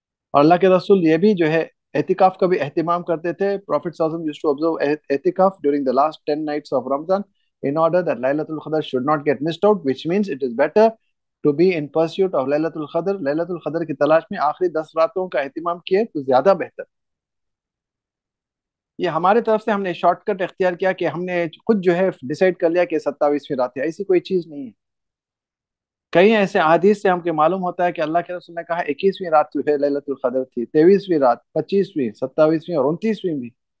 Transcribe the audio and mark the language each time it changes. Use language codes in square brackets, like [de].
[ur] اور اللہ کے رسول یہ بھی جو ہے احتکاف کا بھی اہتمام کرتے تھے. [en] Prophet صلی اللہ علیہ وسلم used to observe احتکاف during the last 10 nights of Ramadan in order that Laylatul Qadr should not get missed out, which means it is better to be in pursuit of Laylatul Qadr. [ur] Laylatul Qadr کی تلاش میں آخری 10 راتوں کا اہتمام کیے تو زیادہ بہتر. یہ ہمارے طرف سے ہم نے شارٹ کٹ اختیار کیا کہ ہم نے خود جو ہے ڈیسائیڈ کر لیا کہ 27ویں رات ہے. ایسی کوئی چیز نہیں ہے. کئی ایسے احادیث سے ہم کے معلوم ہوتا ہے کہ اللہ کے رسول نے کہا 21ویں رات جو ہے لیلۃ القدر تھی, 23ویں رات, 25ویں, 27ویں اور 29ویں بھی.